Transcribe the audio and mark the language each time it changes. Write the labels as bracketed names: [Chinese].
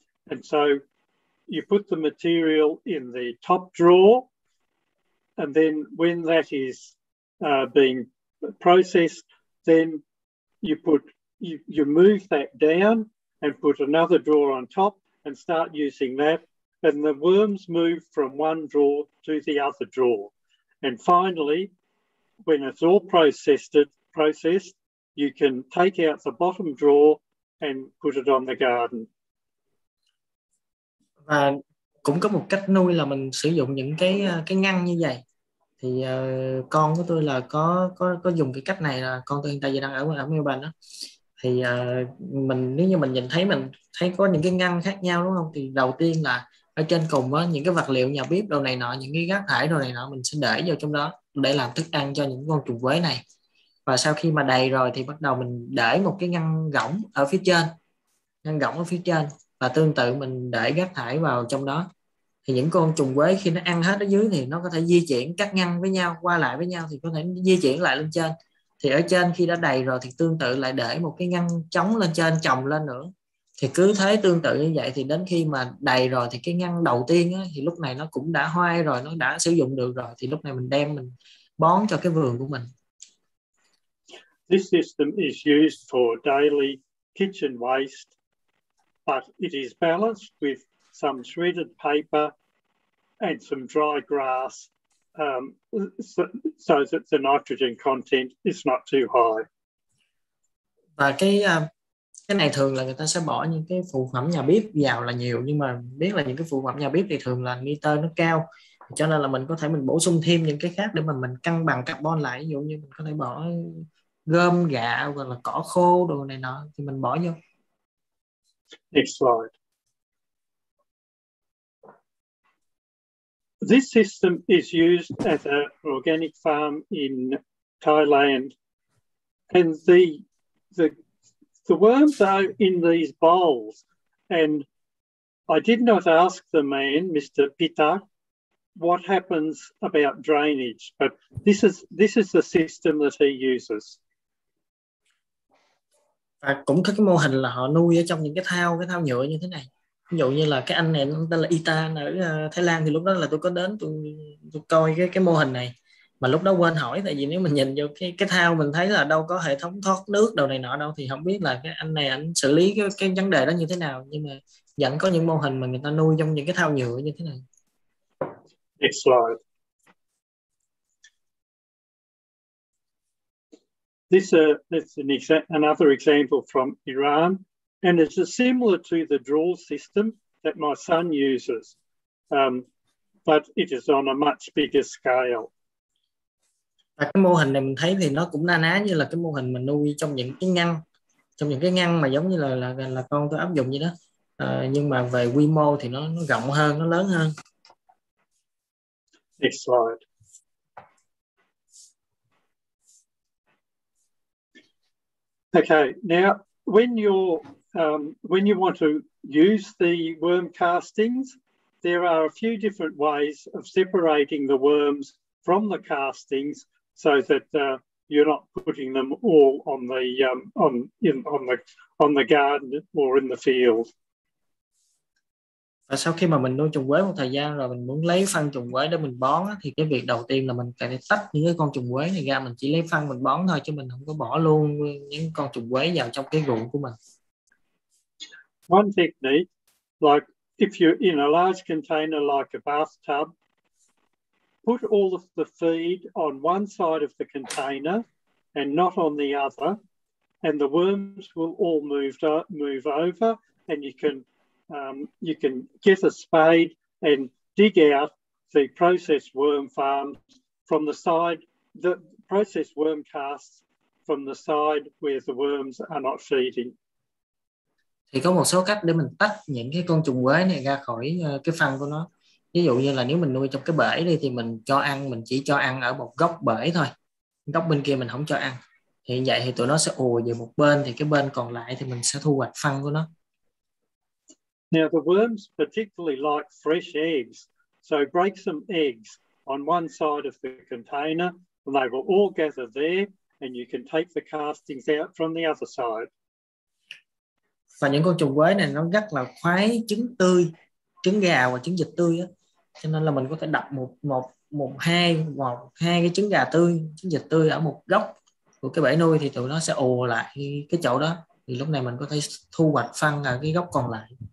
[English] And so you put the material in the top drawer, and then when that is being processed, then you move that down and put another drawer on top and start using that. And the worms move from one drawer to the other drawer. And finally, when it's all processed, you can take out the bottom drawer and put it on the garden. [Vietnamese] Và cũng có một cách nuôi là mình sử dụng những cái ngăn như vậy. Thì con của tôi là có dùng cái cách này, là con tôi hiện tại giờ đang ở Melbourne đó. Thì mình nếu như mình thấy có những cái ngăn khác nhau đúng không? Thì đầu tiên là ở trên cùng á, những cái vật liệu nhà bếp đồ này nọ, những cái rác thải đồ này nọ mình sẽ để vào trong đó để làm thức ăn cho những con trùng quế này. Và sau khi mà đầy rồi thì bắt đầu mình để một cái ngăn gỗng ở phía trên, và tương tự mình để rác thải vào trong đó. Thì những con trùng quế khi nó ăn hết ở dưới thì nó có thể di chuyển các ngăn với nhau, qua lại với nhau thì có thể di chuyển lại lên trên. Thì ở trên khi đã đầy rồi thì tương tự lại để một cái ngăn trống lên trên, chồng lên nữa. Thì cứ thế tương tự như vậy, thì đến khi mà đầy rồi thì cái ngăn đầu tiên á, thì lúc này nó cũng đã hoai rồi, nó đã sử dụng được rồi, thì lúc này mình bón cho cái vườn của mình. [English] This system is used for daily kitchen waste, but it is balanced with some shredded paper and some dry grass, so that the nitrogen content is not too high. [Vietnamese] Và cái này thường là người ta sẽ bỏ những cái phụ phẩm nhà bếp vào là nhiều, nhưng mà biết là những cái phụ phẩm nhà bếp thì thường là nitơ nó cao, cho nên là mình có thể mình bổ sung thêm những cái khác để mà mình cân bằng carbon lại. Ví dụ như mình có thể bỏ gom gạo hoặc là cỏ khô đồ này nọ thì mình bỏ vô. [English] Next slide. This system is used at an organic farm in Thailand, and the worms are in these bowls, and I did not ask the man, Mr. Pita, what happens about drainage, but this is the system that he uses. [Vietnamese] À, cũng có cái mô hình là họ nuôi ở trong những cái thao nhựa như thế này. Ví dụ như là cái anh này tên là Ita ở Thái Lan, thì lúc đó là tôi có đến tôi coi cái mô hình này. Mà lúc đó quên hỏi, tại vì nếu mình nhìn vô cái thao mình thấy là đâu có hệ thống thoát nước đồ này nọ đâu, thì không biết là cái anh này anh xử lý cái vấn đề đó như thế nào, nhưng mà vẫn có những mô hình mà người ta nuôi trong những cái thao nhựa như thế này. [English] Next slide. This is another example from Iran, and it's similar to the draw system that my son uses, but it is on a much bigger scale. [Vietnamese] Và cái mô hình này mình thấy thì nó cũng na ná như là cái mô hình mình nuôi trong những cái ngăn mà giống như là con tôi áp dụng vậy đó. Nhưng mà về quy mô thì nó rộng hơn, nó lớn hơn. [English] Next slide. Okay, now when you want to use the worm castings, there are a few different ways of separating the worms from the castings, so that you're not putting them all on the garden or in the field. [Vietnamese] Và sau khi mà mình nuôi trùng quế một thời gian rồi, mình muốn lấy phân trùng quế để mình bón, thì cái việc đầu tiên là mình cần phải tách những cái con trùng quế này ra. Mình chỉ lấy phân mình bón thôi, chứ mình không có bỏ luôn những con trùng quế vào trong cái ruộng của mình. [English] One technique Like if you're in a large container like a bathtub, put all of the feed on one side of the container and not on the other, and the worms will all move over, and you can get a spade and dig out the processed worm farms from the side, the processed worm casts from the side where the worms are not feeding. [Vietnamese] Thì có một số cách để mình tách những cái con trùng quế này ra khỏi cái phân của nó. Ví dụ như là nếu mình nuôi trong cái bể đi thì mình cho ăn, mình chỉ cho ăn ở một góc bể thôi. Góc bên kia mình không cho ăn. Hiện vậy thì tụi nó sẽ ùa về một bên, thì cái bên còn lại thì mình sẽ thu hoạch phân của nó. [English] Now the worms particularly like fresh eggs. So break some eggs on one side of the container and they will all gather there and you can take the castings out from the other side. [Vietnamese] Và những con trùng quế này nó rất là khoái trứng tươi, trứng gà và trứng vịt tươi á. Cho nên là mình có thể đập một hai cái trứng gà tươi, trứng vịt tươi ở một góc của cái bể nuôi thì tụi nó sẽ ùa lại cái chỗ đó. Thì lúc này mình có thể thu hoạch phân ở cái góc còn lại.